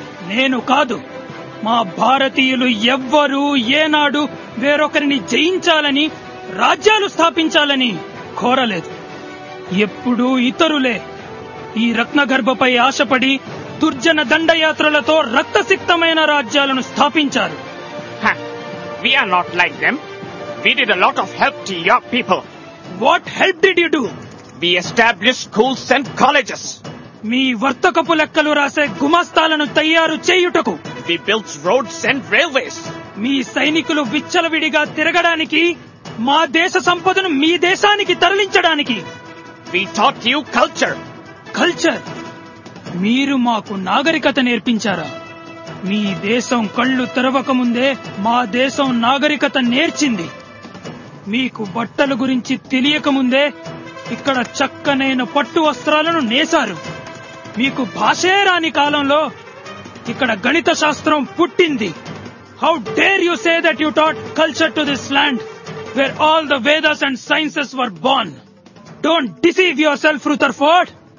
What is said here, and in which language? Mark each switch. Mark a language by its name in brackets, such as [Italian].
[Telugu] నేను కాదు, మా భారతీయులు ఎవ్వరూ ఏనాడు వేరొకరిని జయించాలని, రాజ్యాలు స్థాపించాలని కోరలేదు. ఎప్పుడూ ఇతరులే. ఈ రత్నగర్భపై ఆశపడి దుర్జన దండయాత్రలతో రక్తసిక్తమైన రాజ్యాలను స్థాపించారు. [English] We are not like them. We did a lot of help to your people. What help did you do? We established schools and colleges. [Telugu] మీ వర్తకపు లెక్కలు రాసే గుమాస్తాలను తయారు చేయుటకు. [English] We built roads and railways. [Telugu] మీ సైనికులు విచ్చలవిడిగా తిరగడానికి, మా దేశ సంపదను మీ దేశానికి తరలించడానికి. [English] We taught you culture. [Telugu] Culture? మీరు మాకు నాగరికత నేర్పించారా? మీ దేశం కళ్ళు తెరవక ముందే మా దేశం నాగరికత నేర్చింది. మీకు బట్టలు గురించి తెలియకముందే ఇక్కడ చక్కనైన పట్టు వస్త్రాలను నేశారు. మీకు భాషే రాని కాలంలో ఇక్కడ గణిత శాస్త్రం పుట్టింది. [English] How dare you say that you taught culture to this land? where all the Vedas and sciences were born. Don't deceive yourself, Rutherford.